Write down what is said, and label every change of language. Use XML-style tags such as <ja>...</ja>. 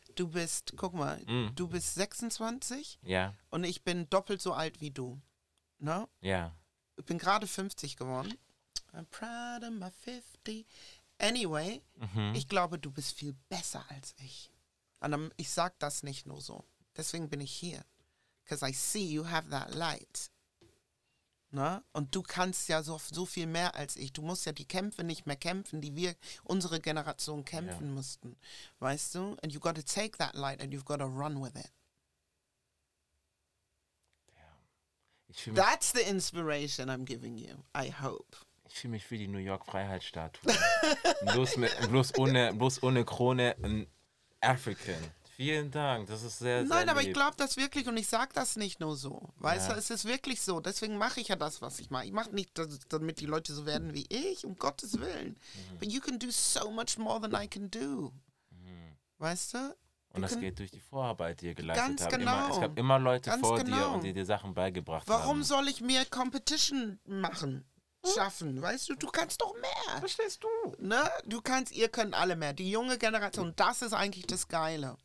<de>Du bist, guck mal, du bist 26 und ich bin doppelt so alt wie du. Ne? Ja. Ich bin gerade 50 geworden.</de> <en>I'm proud of my 50.</en> <de>Anyway, ich glaube, du bist viel besser als ich. Und ich sag das nicht nur so. Deswegen bin ich hier.</de> <en>Because I see you have that light.</en> <de>Ne? Und du kannst ja so viel mehr als ich. Du musst ja die Kämpfe nicht mehr kämpfen, die wir, unsere Generation, kämpfen mussten. Weißt du?</de> <en>And you've got to take that light and you've got to run with it. That's the inspiration I'm giving you, I hope.</en> <de>Ich fühle mich wie die New York Freiheitsstatue. bloß ohne Krone, ein African. Vielen Dank, das ist sehr, sehr Nein, aber lieb. Ich glaube das wirklich und ich sage das nicht nur so. Weißt du, es ist wirklich so. Deswegen mache ich ja das, was ich mache. Ich mache nicht, damit die Leute so werden wie ich, um Gottes Willen. Mhm.</de> <en>But you can do so much more than I can do.</en> <de>Mhm. Weißt du? Und das geht durch die Vorarbeit, die ihr geleistet habt. Ganz genau. Es gab immer Leute vor dir, und die dir Sachen beigebracht haben. Warum soll ich mir Competition machen? Schaffen, weißt du? Du kannst doch mehr. Verstehst du? Ne? Du kannst, ihr könnt alle mehr. Die junge Generation, das ist eigentlich das Geile.</de>